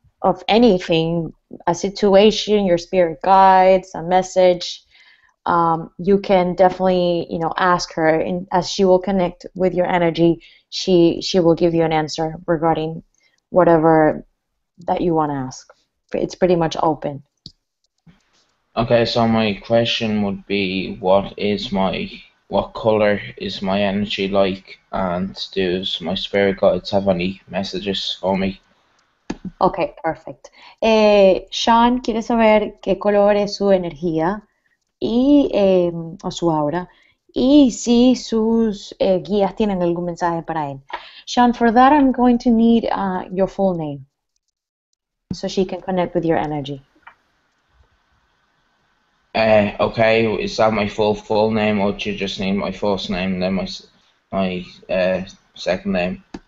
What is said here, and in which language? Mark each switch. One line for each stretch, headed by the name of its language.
English: of anything, a situation, your spirit guides, a message, you can definitely, you know, ask her, and as she will connect with your energy, she will give you an answer regarding whatever that you want to ask. It's pretty much open. Okay, so my question would be, what color is my energy like, and do my spirit guides have any messages for me? Okay, perfect.
Spanish: Sean quiere saber qué color es su energía y o su aura y si sus guías tienen algún mensaje para él.
English: Sean, for that I'm going to need your full name so she can connect with your energy. Okay, is that my full name or do you just need my first name and then my second name?